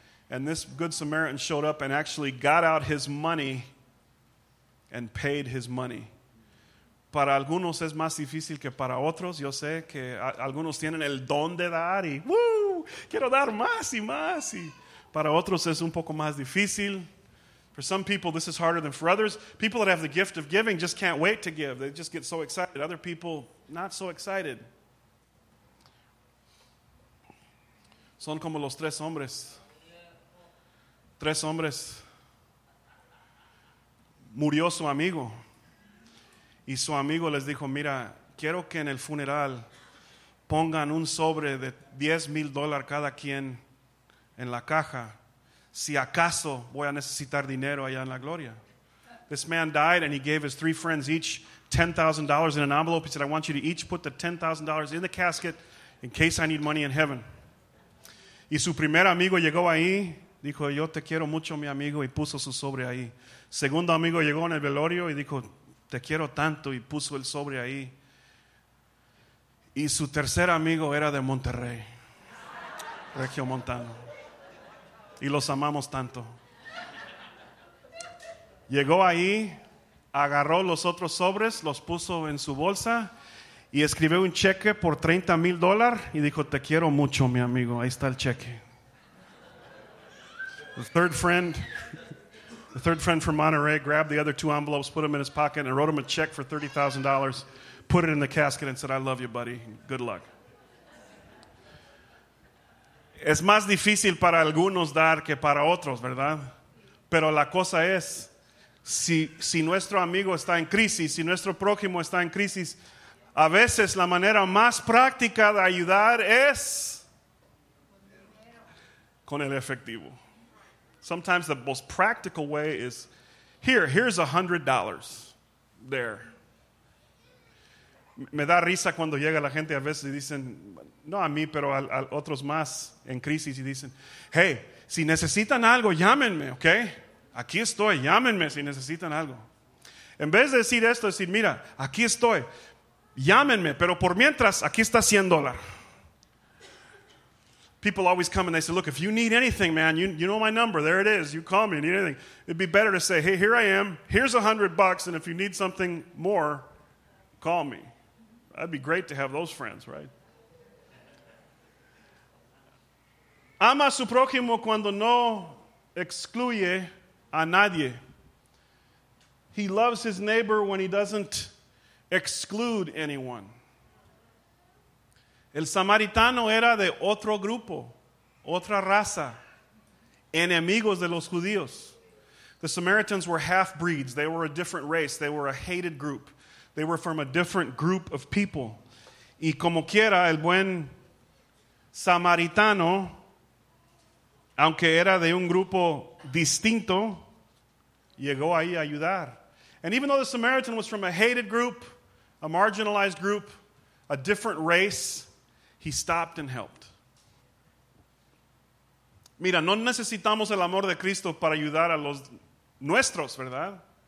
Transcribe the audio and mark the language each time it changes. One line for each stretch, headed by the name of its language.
English: And this good Samaritan showed up and actually got out his money and paid his money.
Spanish: Para algunos es más difícil que para otros. Yo sé que algunos tienen el don de dar y ¡woo! Quiero dar más y más. Y para otros es un poco más difícil.
English: For some people, this is harder than for others. People that have the gift of giving just can't wait to give. They just get so excited. Other people, not so excited.
Spanish: Son como los tres hombres. Tres hombres. Murió su amigo. Y su amigo les dijo: mira, quiero que en el funeral pongan un sobre de $10,000 cada quien en la caja, si acaso voy a necesitar dinero allá en la gloria. This man died and he gave his three friends each $10,000 in an envelope. He said, I want you to each put the $10,000 in the casket in case I need money in heaven. Y su primer amigo llegó ahí, dijo, yo te quiero mucho, mi amigo, y puso su sobre ahí. Segundo amigo llegó en el velorio y dijo, te quiero tanto, y puso el sobre ahí. Y su tercer amigo era de Monterrey, regiomontano. Y los amamos tanto. Llegó ahí, agarró los otros sobres, los puso en su bolsa y escribió un cheque por $30,000 y dijo, te quiero mucho, mi amigo. Ahí está el cheque.
English: The third friend from Monterrey grabbed the other two envelopes, put them in his pocket, and wrote him a check for $30,000, put it in the casket, and said, I love you, buddy. Good luck.
Spanish: Es más difícil para algunos dar que para otros, ¿verdad? Pero la cosa es, si nuestro amigo está en crisis, si nuestro prójimo está en crisis, a veces la manera más práctica de ayudar es con el efectivo.
English: Sometimes the most practical way is, here's $100 there.
Spanish: Me da risa cuando llega la gente a veces y dicen, no a mí, pero a otros más en crisis, y dicen, hey, si necesitan algo, llámenme, ¿ok? Aquí estoy, llámenme si necesitan algo. En vez de decir esto, decir, mira, aquí estoy, llámenme, pero por mientras, aquí está $100.
English: People always come and they say, look, if you need anything, man, you know my number. There it is. You call me. You need anything. It'd be better to say, hey, here I am. Here's $100. And if you need something more, call me. That'd be great to have those friends, right?
Spanish: Ama a su prójimo cuando no excluye a nadie.
English: He loves his neighbor when he doesn't exclude anyone.
Spanish: El samaritano era de otro grupo, otra raza, enemigos de los judíos.
English: The Samaritans were half-breeds. They were a different race. They were a hated group. They were from a different group of people.
Spanish: Y como quiera, el buen samaritano, aunque era de un grupo distinto, llegó ahí a ayudar.
English: And even though the Samaritan was from a hated group, a marginalized group, a different race, he stopped and helped.
Spanish: Mira, no necesitamos el amor de Cristo para ayudar a los nuestros, ¿verdad?